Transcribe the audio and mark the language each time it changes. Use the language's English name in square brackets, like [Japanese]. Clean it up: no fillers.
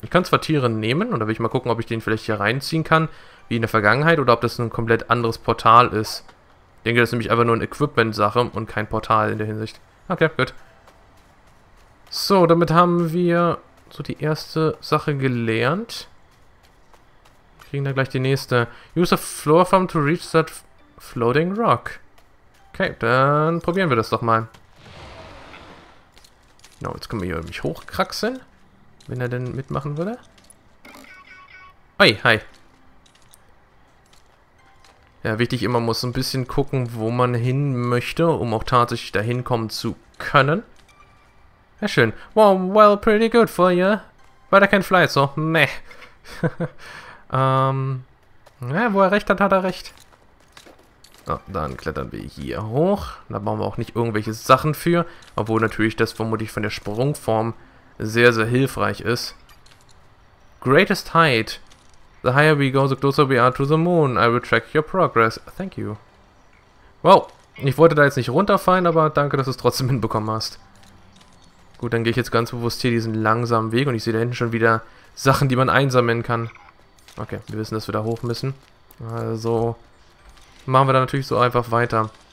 [German] Ich kann zwar Tiere nehmen und da will ich mal gucken, ob ich den vielleicht hier reinziehen kann, wie in der Vergangenheit, oder ob das ein komplett anderes Portal ist. Ich denke, das ist nämlich einfach nur eine Equipment-Sache und kein Portal in der Hinsicht. Okay, gut. So, damit haben wir so die erste Sache gelernt. Kriegen da gleich die nächste. [English] Use a floor form to reach that floating rock. [German] Okay, dann probieren wir das doch mal. Genau, jetzt können wir hier mich hochkraxeln, wenn er denn mitmachen würde. Oi, hi. Ja, wichtig, immer muss ein bisschen gucken, wo man hin möchte, um auch tatsächlich dahin kommen zu können. Ja, schön. [English] Well, pretty good for you. But I can't fly, so meh. [German] ja, wo er recht hat, hat er recht. So, dann klettern wir hier hoch. Da brauchen wir auch nicht irgendwelche Sachen für. Obwohl natürlich das vermutlich von der Sprungform sehr, sehr hilfreich ist. [English] Greatest height. The higher we go, the closer we are to the moon. I will track your progress. Thank you. [German] Wow, ich wollte da jetzt nicht runterfallen, aber danke, dass du es trotzdem hinbekommen hast. Gut, dann gehe ich jetzt ganz bewusst hier diesen langsamen Weg und ich sehe da hinten schon wieder Sachen, die man einsammeln kann. Okay, wir wissen, dass wir da hoch müssen. Also machen wir da natürlich so einfach weiter.